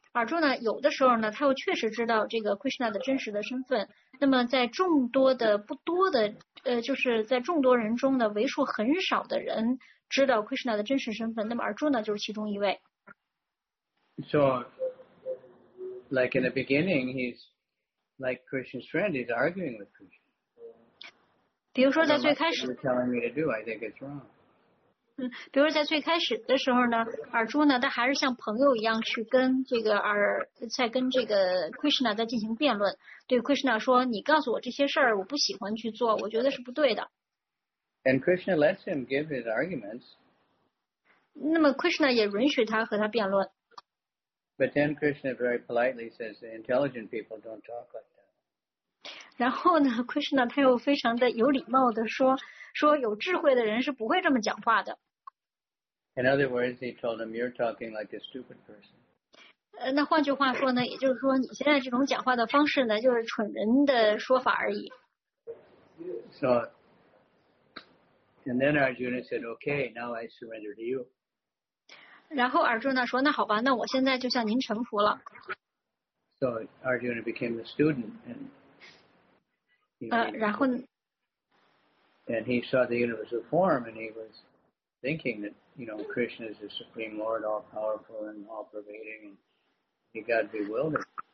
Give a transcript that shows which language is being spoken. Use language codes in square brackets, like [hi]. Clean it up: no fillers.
[zh] 尔柱呢有的时候呢他又确实知道这个 Krishna 的真实的身份，那么在众多的不多的就是在众多人中的为数很少的人知道 Krishna 的真实身份，那么尔柱呢就是其中一位。 [en] So like in the beginning he's like Krishna's friend, he's arguing with Krishna. [zh] 比如说在最开始 [en] telling me to do, I think it's wrong. [zh] 比如在最开始的时候呢，耳珠呢，他还是像朋友一样去跟这个Krishna 在进行辩论，对 Krishna 说：“你告诉我这些事儿，我不喜欢去做，我觉得是不对的。” [en] And Krishna lets him give his arguments. [zh] 那么 Krishna 也允许他和他辩论。 [en] But then Krishna very politely says, "Intelligent people don't talk like that." [zh] 然后呢 ，Krishna 他又非常的有礼貌的说。说有智慧的人是不会这么讲话的。 [en] In other words, he told him, "You're talking like a stupid person." [zh] 那换句话说呢，也就是说你现在这种讲话的方式呢，就是蠢人的说法而已。 [en] So, and then Arjuna said, "Okay, now I surrender to you." [zh] 然后尔朱呢说，那好吧，那我现在就向您臣服了。 [en] So Arjuna became a student, and And he saw the universal form, and he was thinking that, you know, Krishna is the supreme Lord, all powerful and all pervading, and he got bewildered.